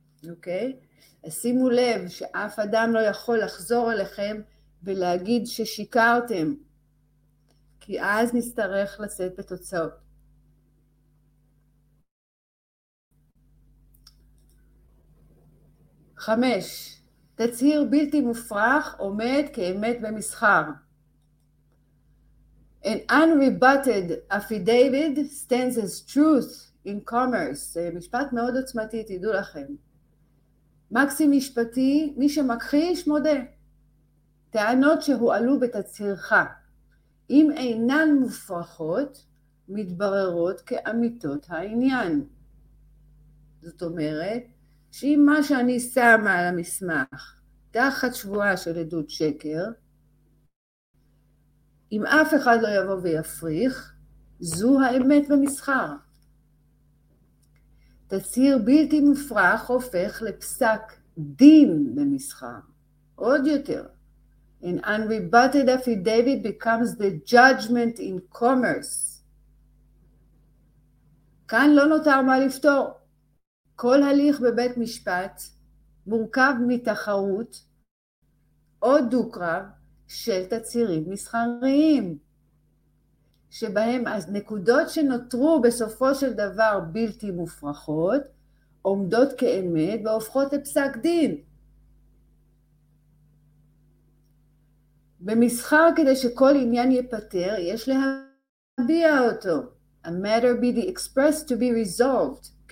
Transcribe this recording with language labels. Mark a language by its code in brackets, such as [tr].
[he] אוקיי? אז שימו לב שאף אדם לא יכול לחזור אליכם ולהגיד ששיקרתם, כי אז נצטרך לשאת בתוצאות. חמש, תצהיר בלתי מופרך עומד כאמת במסחר. [en] An unrebutted affidavit stands as truth in commerce. [he] זה משפט מאוד עוצמתי, תדעו לכם. מקסים משפטי, מי שמכחיש מודה. טענות שהועלו בתצהירך, אם אינן מופרכות, מתבררות כאמיתות העניין. זאת אומרת, שאם מה שאני שמה על המסמך, תחת שבועה של עדות שקר, אם אף אחד לא יבוא ויפריך, זו האמת במסחר. תצהיר בלתי מופרך הופך לפסק דין במסחר. עוד יותר. [en] An unrebutted affidavit becomes the judgment in commerce. [he] כאן לא נותר מה לפתור. כל הליך בבית משפט מורכב מתחרות או דוקרב של תצהירים מסחריים, שבהם הנקודות שנותרו בסופו של דבר בלתי מופרכות עומדות כאמת והופכות לפסק דין. במסחר, כדי שכל עניין ייפתר, יש להביע אותו. [en] A matter be the expressed to be resolved.